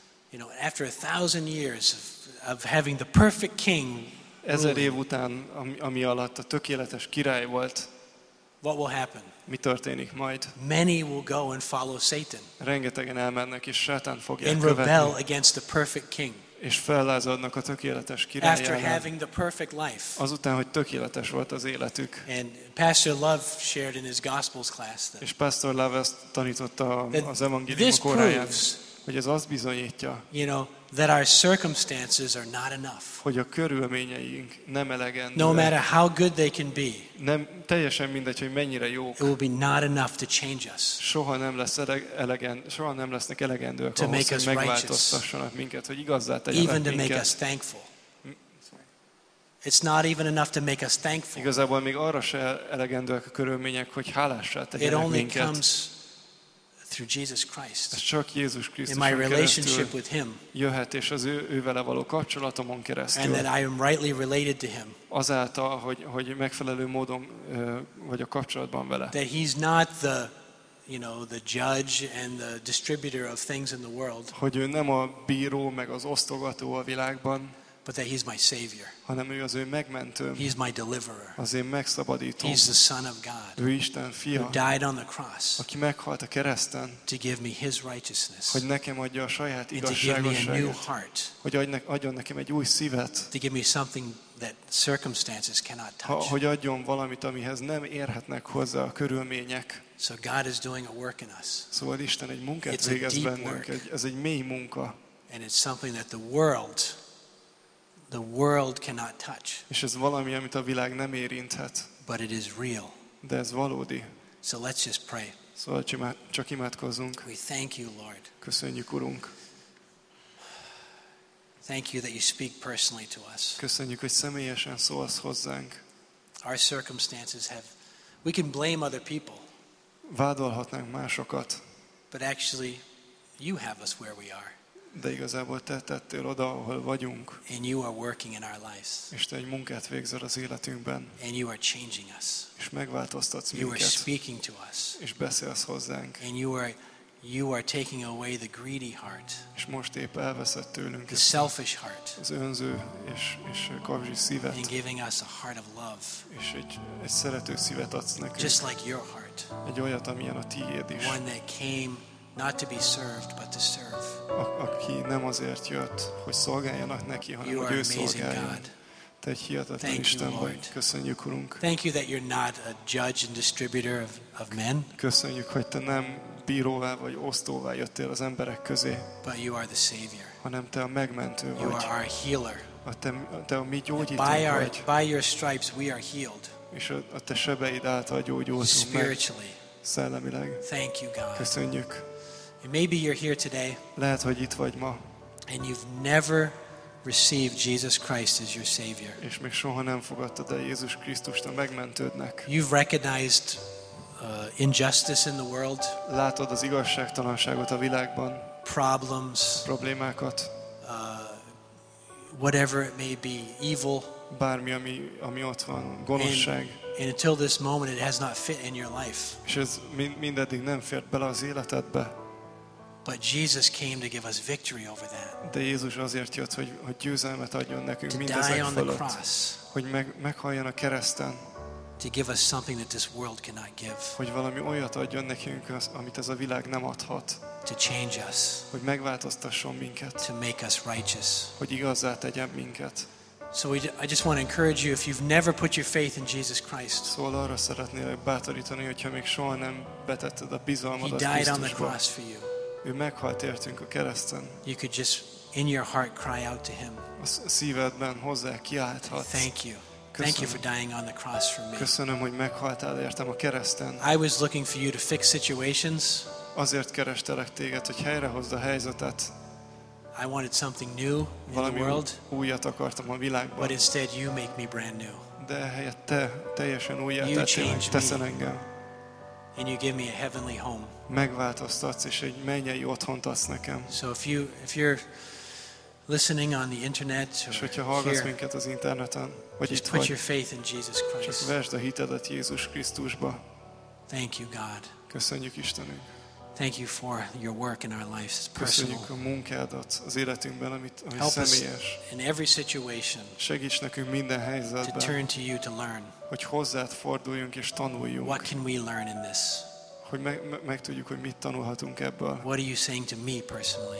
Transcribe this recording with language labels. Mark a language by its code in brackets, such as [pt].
[en] You know, after 1,000 years of having the perfect king. [hu] 1,000 év után, ami alatt a tökéletes király volt. [en] What will happen? [hu] Mi történik majd? [en] Many will go and follow Satan. [hu] Rengetegen elmennek és Sátán fogják követni. [en] And rebel against the perfect king. [hu] És fellázadnak a tökéletes király ellen. [en] After having the perfect life. [hu] Azután, hogy tökéletes volt az életük. [en] And Pastor Love shared in his Gospels class that. [hu] És Pastor Love ezt tanította az evangélium koráján. Hogy ez azt bizonyítja, [en] you know, that our circumstances are not enough. [hu] Hogy a körülményeink nem elegendőek. [en] No matter how good they can be. [hu] Nem teljesen mindegy, hogy mennyire jók. [en] It will be not enough to change us. [hu] Soha nem lesz soha nem lesznek elegendőek [en] to [hu] ahhoz, hogy megváltoztassanak minket, hogy igazzá tegyenek minket. [en] Even to make us thankful. It's not even enough to make us thankful. [hu] Igazából még arra se elegendőek a körülmények, hogy hálásra tegyenek minket. [en] It only comes through Jesus Christ. [hu] Ez csak Jézus Krisztuson keresztül. [en] In my relationship with him. [hu] Jöhet és az ővele való kapcsolatomon keresztül. [en] And that I am rightly related to him. [hu] Azáltal, hogy megfelelő módon vagy a kapcsolatban vele. [en] That he's not the, you know, the judge and the distributor of things in the world. [hu] Hogy ő nem a bíró meg az osztogató a világban. [en] But that he's my savior. [hu] Hanem ő az ő megmentőm. [en] He's my deliverer. [hu] Az én megszabadítom. [en] He's the son of God. [hu] Ő Isten fia. [en] Who died on the cross. [hu] Aki meghalt a kereszten. [en] To give me his righteousness. [hu] Hogy nekem adja a saját igazságosságot. [en] And to give me a new heart. [hu] Hogy adjon nekem egy új szívet. [en] To give me something that circumstances cannot touch. [hu] Hogy adjon valamit, amihez nem érhetnek hozzá a körülmények. [en] So God is doing a work in us. [hu] Szóval Isten egy munkát végez bennünk. Ez egy mély munka. [en] And it's something that the world cannot touch. [hu] És ez valami, amit a világ nem érinthet. [en] But it is real. [hu] De ez valódi. [en] So let's just pray. [hu] Szóval csak imádkozzunk. [en] We thank you, Lord. [hu] Köszönjük, Urunk. [en] Thank you that you speak personally to us. [hu] Köszönjük, hogy személyesen szólsz hozzánk. [en] Our circumstances have, we can blame other people. [hu] Vádolhatnánk másokat. [en] But actually, you have us where we are. [hu] De igazából te tettél oda, ahol vagyunk. [en] And you are working in our lives. [hu] És te egy munkát végzel az életünkben. [en] And you are changing us. [hu] És megváltoztatsz minket. [en] You are speaking to us. [hu] És beszélsz hozzánk. [en] And you are taking away the greedy heart. [hu] És most épp elveszed tőlünk [en] the selfish heart. [hu] Az önző és kapzsi szívet. [en] And giving us a heart of love. [hu] És egy szerető szívet adsz nekünk. [en] Just like your heart. [hu] Egy olyat, amilyen a tiéd is. [en] One that came not to be served but to serve. [hu] Aki nem azért jött, hogy szolgáljanak neki, hanem hogy ő szolgáljon. Te egy hihetetlen Isten vagy. Köszönjük, Urunk. [en] Thank you that you're not a judge and distributor of men. [hu] Köszönjük, hogy te nem bíróvá vagy osztóvá jöttél az emberek közé. [en] But you are the savior. [hu] Hanem te a megmentő vagy. [en] You are our healer. [hu] Te a mi gyógyítónk vagy. [en] By your stripes we are healed. [hu] És a te sebeid által gyógyultunk meg. [en] Spiritually. [hu] Szellemileg. [en] Thank you, God. [hu] Köszönjük. [en] And maybe you're here today. [hu] Lehet, hogy itt vagy ma. [en] And you've never received Jesus Christ as your savior. [hu] És még soha nem fogadtad el Jézus Krisztust a megmentődnek. [en] You've recognized injustice in the world. [hu] Látod az igazságtalanságot a világban. [en] Problems. [hu] Problémákat. [en] Whatever it may be, evil. [hu] Bármi, ami ott van, gonoszság. [en] And until this moment it has not fit in your life. [hu] És ez mindeddig nem fért bele az életedbe. [en] But Jesus came to give us victory over that. [hu] De Jézus azért jött, hogy győzelmet adjon nekünk mindezek fölött. Hogy meghaljon a kereszten. [en] To give us something that this world cannot give. [hu] Hogy valami olyat adjon nekünk, amit ez a világ nem adhat. [en] To change us. [hu] Hogy megváltoztasson minket. [en] To make us righteous. [hu] Hogy igazzá tegyen minket. [en] So I just want to encourage you, if you've never put your faith in Jesus Christ. [hu] Szóval arra szeretnélek bátorítani, hogyha még soha nem betetted a bizalmadat Krisztusba. [en] He died on the cross for you. [hu] Ő meghalt értünk a kereszten. [en] You could just in your heart cry out to him. [hu] A szívedben hozzá kiálthatsz. [en] Thank you. [hu] Köszönöm. [en] Thank you for dying on the cross for me. [hu] Köszönöm, hogy meghaltál értem a kereszten. [en] I was looking for you to fix situations. [hu] Azért kerestelek téged, hogy helyrehozd a helyzetet. [en] I wanted something new [hu] valami [en] in the world. [hu] Újat akartam a világban. [en] But instead you make me brand new. [hu] De helyett te teljesen újjáteszel, teszel engem. [en] And you give me a heavenly home. [hu] Megváltoztatsz és egy mennyei otthont adsz nekem. [en] So if you're listening on the internet or [hu] és hogyha hallgatsz minket az interneten, vagy [en] just [hu] itt [en] put [hu] vagy, [en] your faith in Jesus Christ. [hu] Csak vesd a hitedet Jézus Krisztusba. [en] Thank you, God. [hu] Köszönjük, Istenünk. [en] Thank you for your work in our lives. It's personal. [hu] Köszönjük a munkádat az életünkben, ami [en] help [hu] személyes. [en] Help us in every situation. [hu] Segíts nekünk minden helyzetben. [en] To turn to you to learn. [hu] Hogy hozzád forduljunk és tanuljunk. [en] What can we learn in this? [hu] Hogy megtudjuk, hogy mit tanulhatunk ebből. [en] What are you saying to me personally?